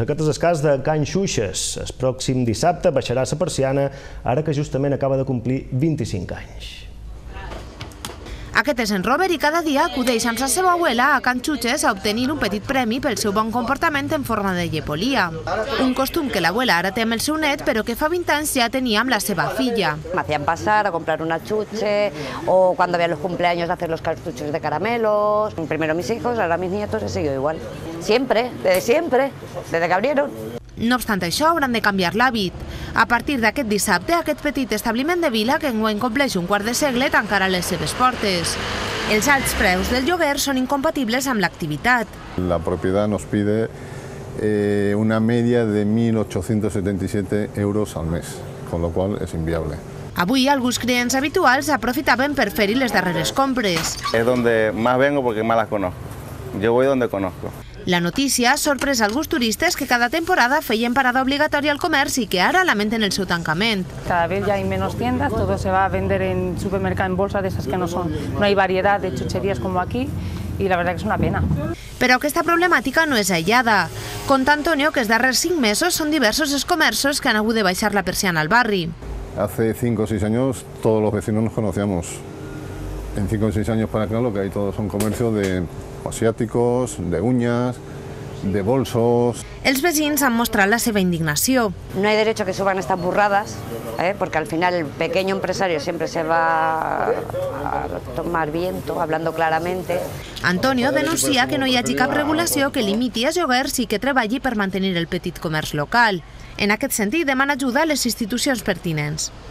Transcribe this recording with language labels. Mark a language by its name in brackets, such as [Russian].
[Catalan] Aquest és el cas de Can Xuixes. El pròxim dissabte baixarà la persiana, ara que justament acaba de complir 25 anys. Aquest és en Robert i cada dia acudeix amb la seva abuela a Can Xuixes a obtenir un petit premi pel seu bon comportament en forma de llepolia. Un costum que l'abuela ara té amb el seu net, però que fa 20 anys ja tenia amb la seva filla. [Spanish] M'hacían passar a comprar una xutxe o [Catalan] quan havia [Spanish] los cumpleaños a hacer los cartuchos de caramelos. Primero mis hijos, ahora mis nietos, he seguido igual. Siempre, desde que abrieron. [Catalan] No obstant això, hauran de canviar l'hàbit. A partir d'aquest dissabte, aquest petit establiment de vila, que enguany compleix un quart de segle, tancarà les seves portes. Els alts preus del lloguer són incompatibles amb l'activitat. [Spanish] La propietat nos pide una media de 1.877 euros al mes, con lo cual es inviable. [Catalan] Avui, alguns clients habituals aprofitaven per fer-hi les darreres compres. [Spanish] Es donde más vengo porque más las conozco. Yo voy donde conozco. [Catalan] La notícia ha sorprès alguns turistes que cada temporada feien parada obligatòria al comerç i que ara lamenten el seu tancament. [Spanish] Cada vez ya hay menos tiendas, todo se va a vender en supermercado en bolsa, de esas que no son. No hay variedad de chucherías como aquí y la verdad que es una pena. [Catalan] Però aquesta problemàtica no és aïllada. Conta Antonio que els darrers 5 mesos són diversos els comerços que han hagut de baixar la persiana al barri. [Spanish] Hace 5 o 6 años todos los vecinos nos conocíamos. En 5 o 6 años para acá lo que hay todos son comercios de... asiáticos, de uñas, de bolsos... [Catalan] Els vecins han mostrat la seva indignació. [Spanish] No hay derecho que suban estas burradas, porque al final el pequeño empresario siempre se va a tomar viento, hablando claramente. [Catalan] Antonio denuncia que no hi hagi cap regulació que limiti els lloguers i que treballi per mantenir el petit comerç local. En aquest sentit, demana ajuda a les institucions pertinents.